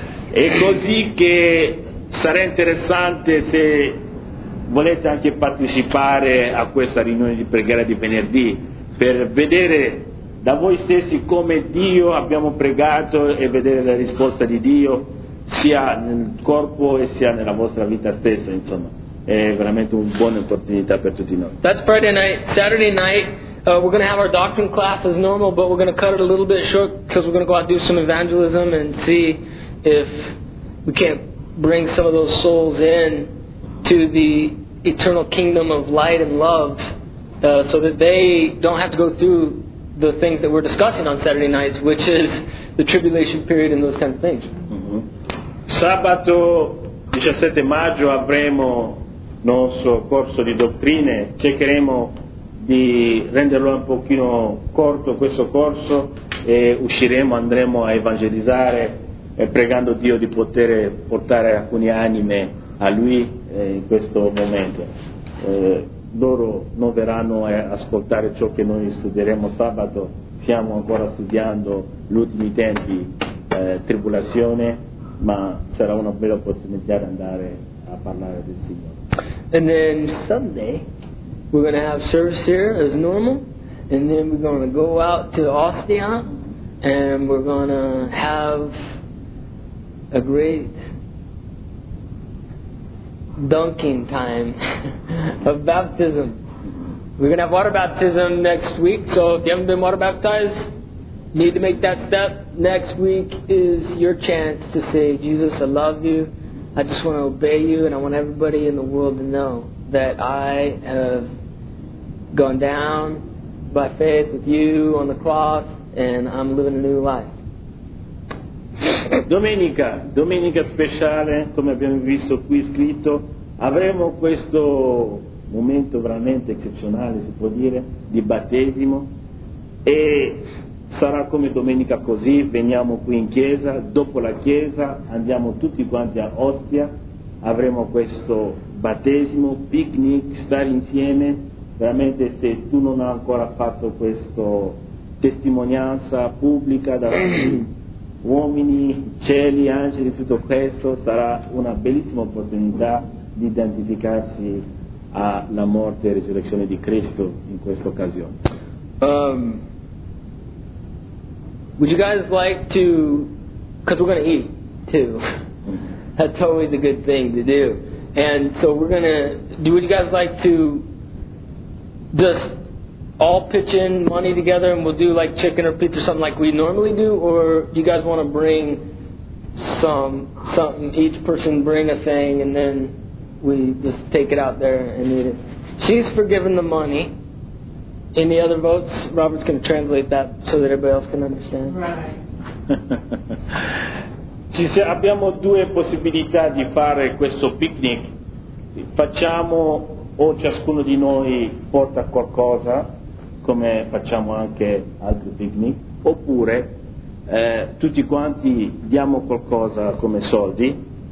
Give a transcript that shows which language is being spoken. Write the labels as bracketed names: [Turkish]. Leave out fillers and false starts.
[Italian] È così che sarà interessante, se volete anche partecipare a questa riunione di preghiera di venerdì, per vedere da voi stessi come Dio abbiamo pregato e vedere la risposta di Dio sia nel corpo e sia nella vostra vita stessa. Insomma, è veramente una buona opportunità per tutti noi. [English] That's Friday night. Saturday night we're going to have our doctrine class as normal, but we're going to cut it a little bit short because we're going to go out and do some evangelism and see if we can't bring some of those souls in to the eternal kingdom of light and love, so that they don't have to go through the things that we're discussing on Saturday nights, which is the tribulation period and those kind of things. [Italian] Sabato 17 maggio avremo nostro corso di dottrine. Cercheremo di renderlo un pochino corto questo corso, e usciremo, andremo a evangelizzare e pregando Dio di poter portare alcune anime a Lui in questo momento. Loro non verranno a ascoltare ciò che noi studieremo sabato. Stiamo ancora studiando gli ultimi tempi, tribolazione, ma sarà una bella opportunità di andare a parlare del Signore. [English] And then Sunday we're going to have service here as normal, and then we're going to go out to Ostia, and we're going to have a great dunking time of baptism. We're going to have water baptism next week, so if you haven't been water baptized, need to make that step. Next week is your chance to say, Jesus, I love you. I just want to obey you, and I want everybody in the world to know that I have gone down by faith with you on the cross, and I'm living a new life. [Italian] Domenica speciale, come abbiamo visto qui scritto, avremo questo momento veramente eccezionale, si può dire, di battesimo, e sarà come domenica così, veniamo qui in chiesa, dopo la chiesa andiamo tutti quanti a Ostia, avremo questo battesimo, picnic, stare insieme. Veramente, se tu non hai ancora fatto questa testimonianza pubblica da uomini, cieli, angeli, tutto questo, sarà una bellissima opportunità di identificarsi alla morte e risurrezione di Cristo in questa occasione. [English] Would you guys like to, because we're going to eat too, that's always a good thing to do, and so we're going to, would you guys like to just all pitch in money together, and we'll do like chicken or pizza or something like we normally do, or you guys want to bring something, each person bring a thing, and then we just take it out there and eat it? She's forgiven the money. Any other votes? Robert's going to translate that so that everybody else can understand. Right. [Italian] Abbiamo due possibilità di fare questo picnic. Facciamo o ciascuno di noi porta qualcosa, come facciamo anche altri picnic, oppure tutti quanti diamo qualcosa come soldi.